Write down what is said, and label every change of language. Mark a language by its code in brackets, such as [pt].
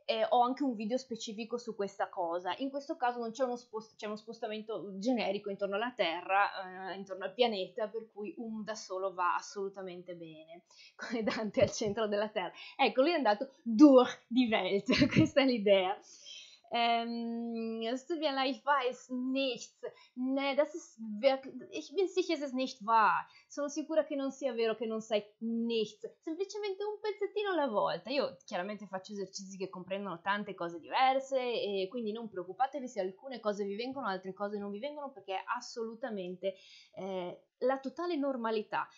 [it] Ho anche un video specifico su questa cosa. In questo caso non c'è c'è uno spostamento generico intorno alla Terra, intorno al pianeta, per cui da solo va assolutamente bene, come Dante al centro della Terra. Ecco, lui è andato [de] durch die Welt, [it] questa è l'idea. [de] Es tut mir leid, ich weiß nichts. Nee, das ist wirklich. Ich bin sicher, es ist nicht wahr. [it] Sono sicura che non sia vero, che non sai nichts. Semplicemente un pezzettino alla volta. Io chiaramente faccio esercizi che comprendono tante cose diverse, e quindi non preoccupatevi se alcune cose vi vengono, altre cose non vi vengono, perché è assolutamente la totale normalità.